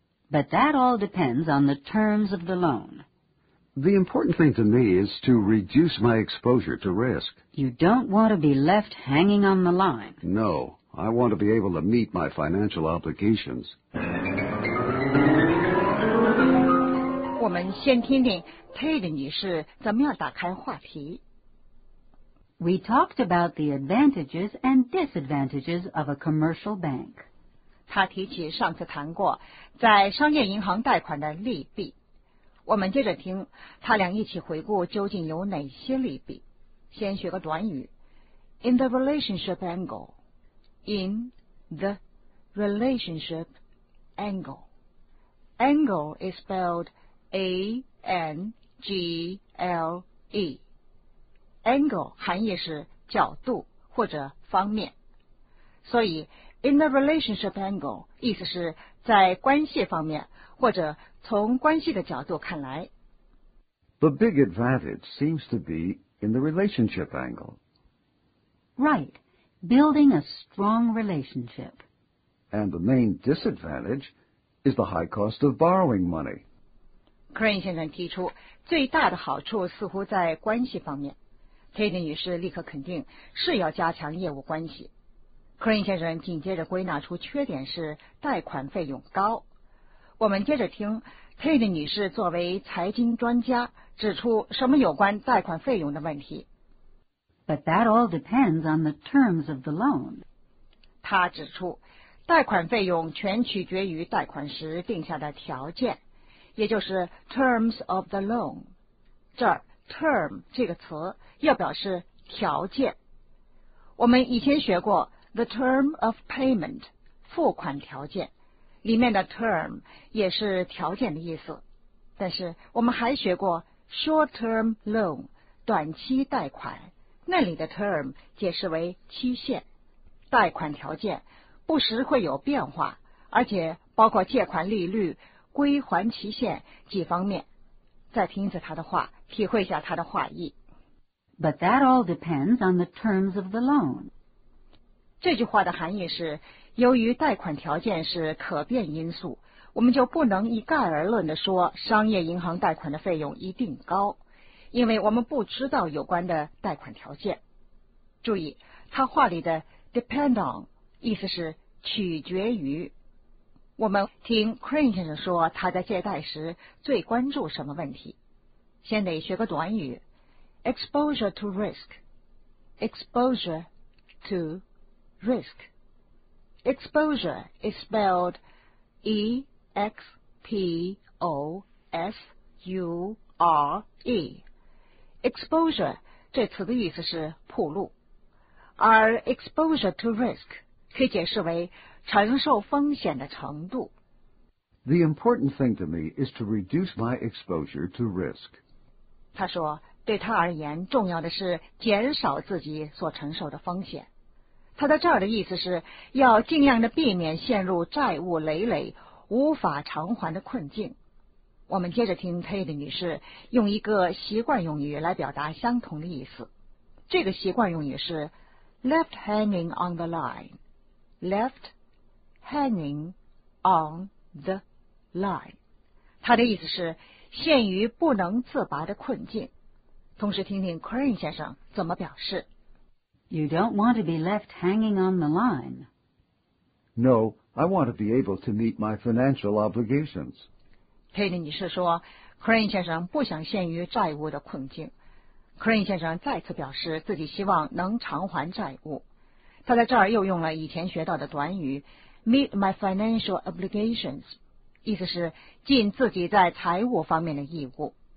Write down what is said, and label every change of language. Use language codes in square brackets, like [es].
[en] But that all depends on the terms of the loan. The important thing to me is to reduce my exposure to risk. You don't want to be left hanging on the line. No, I want to be able to meet my financial obligations. [zh] 我们先听听 Tate 女士怎么样打开话题。 [en] We talked about the advantages and disadvantages of a commercial bank. [zh] 她提起上次谈过在商业银行贷款的利弊。我们接着听他俩一起回顾究竟有哪些利弊。先学个短语 , [en] in the relationship angle. In the relationship angle. Angle is spelled A-N-G-L-E. [zh] Angle 含义是角度或者方面。所以 [en] in the relationship angle [zh] 意思是在关系方面或者从关系的角度看来。 [en] The big advantage seems to be in the relationship angle. Right, building a strong relationship. And the main disadvantage is the high cost of borrowing money. [zh] Crane 先生提出最大的好处似乎在关系方面。 Tate 女士立刻肯定是要加强业务关系。 Crane 先生紧接着归纳出缺点是贷款费用高。我们接着听 Tate 女士作为财经专家指出什么有关贷款费用的问题。 [en] But that all depends on the terms of the loan. [zh] 她指出贷款费用全取决于贷款时定下的条件，也就是 [en] terms of the loan。 [zh] 这儿 term 这个词要表示条件。我们以前学过 [en] the term of payment [zh] 付款条件，里面的 term 也是条件的意思，但是我们还学过 [en] short term loan [zh] 短期贷款，那里的 term 解释为期限。贷款条件不时会有变化，而且包括借款利率、归还期限几方面。再听一次他的话，体会一下他的话意。 [en] But that all depends on the terms of the loan. [zh] 这句话的含义是由于贷款条件是可变因素，我们就不能一概而论地说商业银行贷款的费用一定高，因为我们不知道有关的贷款条件。注意他话里的 depend on 意思是取决于。我们听 Crane 先生说他在借贷时最关注什么问题。先得学个短语 [en] exposure to risk. Exposure to riskExposure is spelled E-X-P-O-S-U-R-E. [zh] Exposure 这词的意思是暴露，而 [en] exposure to risk [zh] 可以解释为承受风险的程度。 [en] The important thing to me is to reduce my exposure to risk. [zh] 他说，对他而言，重要的是减少自己所承受的风险。他在这儿的意思是要尽量的避免陷入债务累累、无法偿还的困境。我们接着听 Tate 女士用一个习惯用语来表达相同的意思。这个习惯用语是 [en] left hanging on the line, left hanging on the line。 [zh] 她的意思是陷于不能自拔的困境。同时听听 Crane 先生怎么表示。 [en] You don't want to be left hanging on the line. No, I want to be able to meet my financial obligations. [zh] Tate 女士说 Crane 先生不想陷于债务的困境。 Crane 先生再次表示自己希望能偿还债务。他在这儿又用了以前学到的短语 [en] meet my financial obligations， [zh] 意思是尽自己在财务方面的义务。